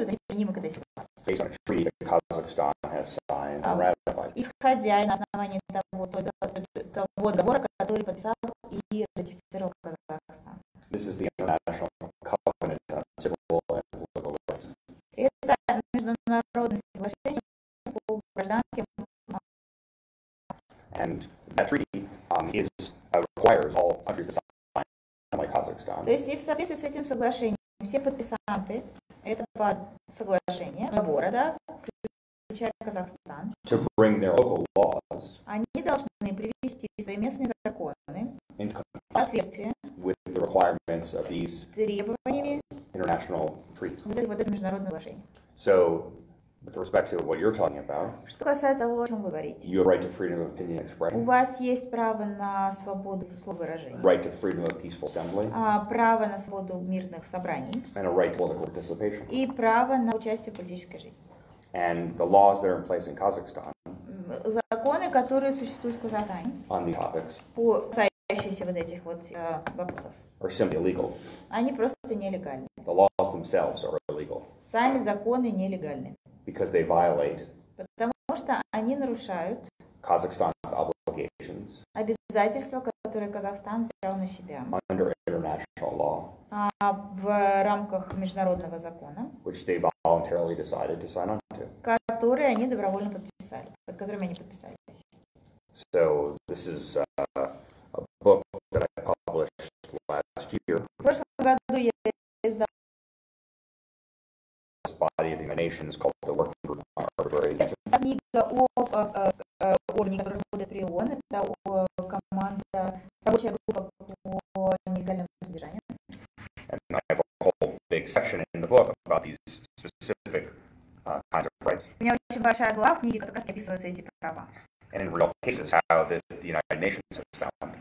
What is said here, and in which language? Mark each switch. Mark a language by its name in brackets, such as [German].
[English] Based on a treaty that Kazakhstan has signed and ratified. [Russian] Исходя на основании того договора, который подписал и ратифицировал Казахстан. [English] This is the international covenant on civil and political rights. [Russian] Это международное соглашение по гражданским. [English] And that treaty requires all countries to sign. Like Kazakhstan. [Russian] То есть и в соответствии с этим соглашением все подписанты, это под соглашение договора, да, включая Казахстан, [English] to bring their local laws, [Russian] они должны привести свои местные законы [English] in соответствие with the requirements of these, [Russian] с требованиями [English] international treaties. [Russian] Вот это международное соглашение. [English] So, with respect to what you're talking about, [Russian] что касается того, о чем вы говорите, [English] you have right to freedom of opinion and expression. [Russian] У вас есть право на свободу слововыражения. [English] Right to freedom of peaceful assembly. [Russian] Право на свободу мирных собраний. [English] And a right to political participation. [Russian] И право на участие в политической жизни. [English] And the laws that are in place in Kazakhstan. [Russian] Законы, которые существуют в Казахстане. [English] On these topics. [Russian] По касающиеся вот этих вот вопросов. [English] Are simply illegal. [Russian] Они просто нелегальны. [English] The laws themselves are illegal. [Russian] Сами законы нелегальны. [English] Because they violate [Russian] потому что они нарушают [English] Kazakhstan's obligations [Russian] обязательства, которые Казахстан взял на себя [English] under international law, [Russian] в рамках международного закона, [English] which they voluntarily decided to sign on to. [Russian] Которые они добровольно подписали, под которыми они подписались. [English] So this is a book that I published last year. [Russian] В прошлом году я издал [English] body of the United Nations called the Working Group on Arbitrary Detention. And I have a whole big section in the book about these specific kinds of rights. [Russian] очень большая глава в книге, как раз описываются эти права. [English] And in real cases, how this, the United Nations has found.